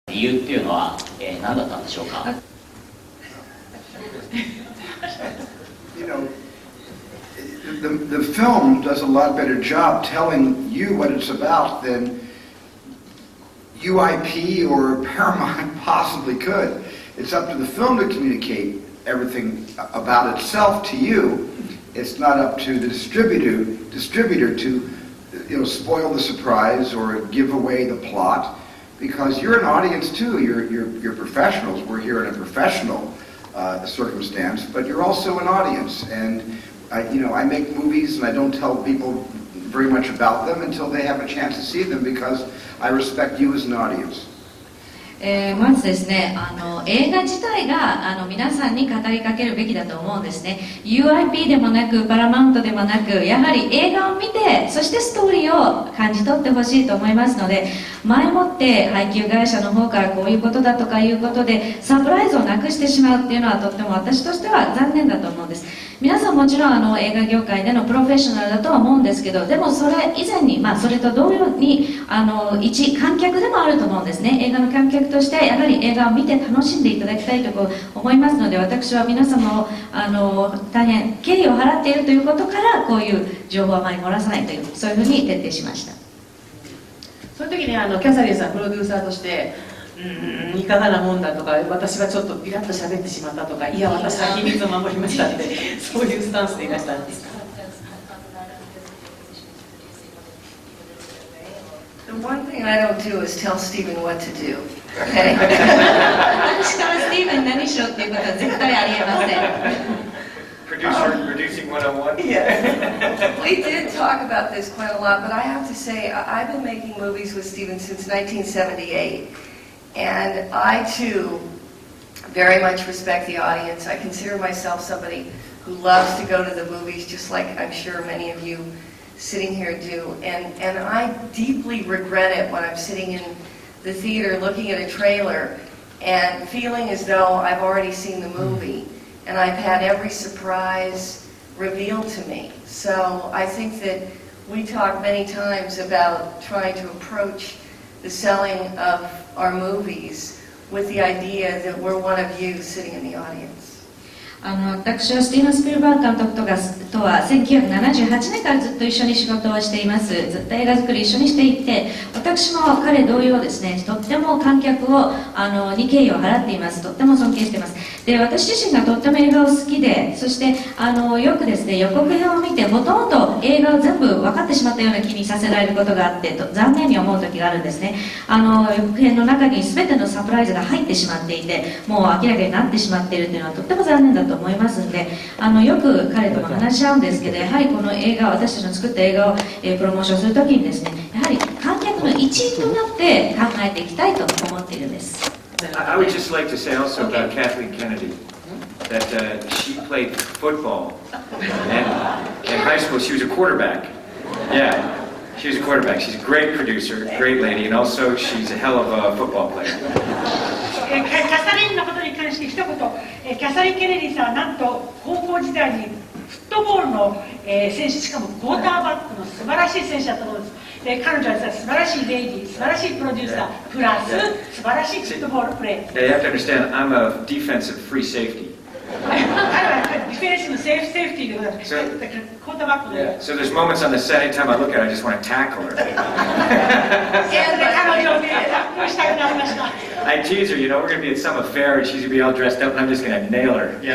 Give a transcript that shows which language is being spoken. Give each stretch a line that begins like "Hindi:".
Japanese: 理由っていうのは、何だったんでしょうか。
English: The film does a lot better job telling you what it's about than UIP or Paramount possibly could. It's up to the film to communicate everything about itself to you. It's not up to the distributor to, you know, spoil the surprise or give away the plot, because you're an audience too. You're professionals. We're here in a professional circumstance, but you're also an audience. And I make movies and I don't tell people very much about them until they have a chance to see them because I respect you as an audience.
Japanese: まずですね、映画自体が皆さんに語りかけるべきだと思うんですね。 UIP でもなくパラマウントでもなく、やはり映画を見て、そしてストーリーを感じ取ってほしいと思いますので、前もって配給会社の方からこういうことだとかいうことでサプライズをなくしてしまうっていうのはとっても私としては残念だと思うんです。皆さんもちろん映画業界でのプロフェッショナルだとは思うんですけど、でもそれ以前に、それと同様に一観客でもあると思うんですね。映画の観客としてやはり映画を見て楽しんでいただきたいと思いますので、私は皆様を大変敬意を払っているということから、こういう情報をあまり漏らさないという、そういうふうに徹底しました。そういう時にキャサリンさんプロデューサーとして、いかがなもんだとか、私はちょっとピラッと喋ってしまったとか、いや私は秘密を守りましたってそういうスタンスでいらしたんですか。
English: One thing I don't do is tell Stephen what to do.
Japanese: Okay. 私からスティーブン何しろっていうことは絶対ありえません。
English: Producer producing 101. Yes. We did talk about this quite a lot, but I have to say I've been making movies with Stephen since 1978, and I too very much respect the audience. I consider myself somebody who loves to go to the movies, just like I'm sure many of you. Sitting here do, and I deeply regret it when I'm sitting in the theater looking at a trailer and feeling as though I've already seen the movie and I've had every surprise revealed to me. So I think that we talk many times about trying to approach the selling of our movies with the idea that we're one of you sitting in the audience.
Japanese: 私はスティーブン・スピルバーグ監督とは1978年からずっと一緒に仕事をしています。ずっと映画作り一緒にしていて、私も彼同様ですね、とっても観客をに敬意を払っています。とっても尊敬しています。で、私自身がとっても映画を好きで、そしてよくですね、予告編を見てほとんど映画を全部分かってしまったような気にさせられることがあって、と残念に思う時があるんですね。予告編の中に全てのサプライズが入ってしまっていて、もう明らかになってしまっているというのはとっても残念だと思いますんで、よく彼とも話し合うんですけど、やはりこの映画、私たちの作った映画を、プロモーションするときにですね、やはり観客の一員となって考えていきたいと思っているんです。
English: I would just like to say also about Kathleen Kennedy that she played football in high school. She was a quarterback. Yeah, she was a quarterback. She's a great producer, great lady, and also she's a hell of a football player.
Japanese: キャサリンのことに関して一言、キャサリン・ケネディさんはなんと高校時代にフットボールの選手、しかもクォーターバックの素晴らしい選手だったと思うんです。で、彼女は素晴らしいレイディ、素晴らしいプロデューサー、プラス素晴らしいフットボールプレー。
English: You have to understand, I'm a defensive free safety.
Japanese: ディフェンスのセーフセーフティーでございます。だからクォーターバックの、
English: yeah. So there's moments on the set, any time I look at it, I just want to tackle her.
Japanese: で、彼女をタックルしたくなりました。
English: I tease her, you know, we're going to be at some affair and she's going to be all dressed up and I'm just going to nail her, you